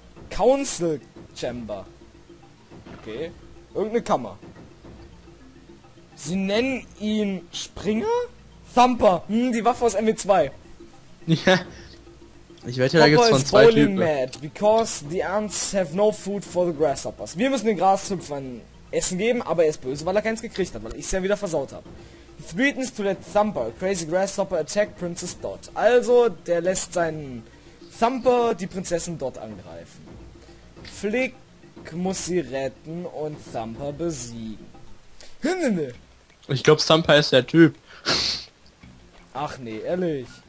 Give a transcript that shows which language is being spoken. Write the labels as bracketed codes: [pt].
[de] Council Chamber. Okay. Irgendeine Kammer. Sie nennen ihn Springer? Thumper. Hm, die Waffe aus MW2. Ja. Ich wette, da gibt's von zwei Typen. [en] Mad because the ants have no food for the grasshoppers. [de] Wir müssen den Grashüpfern Essen geben, aber er ist böse, weil er keins gekriegt hat, weil ich es ja wieder versaut habe. [en] He threatens to let Thumper, crazy grasshopper, attack Princess Dot. [de] Also, der lässt seinen Thumper die Prinzessin Dot angreifen. Flick muss sie retten und Thumper besiegen. Ich glaube, Thumper ist der Typ. Ach nee, ehrlich.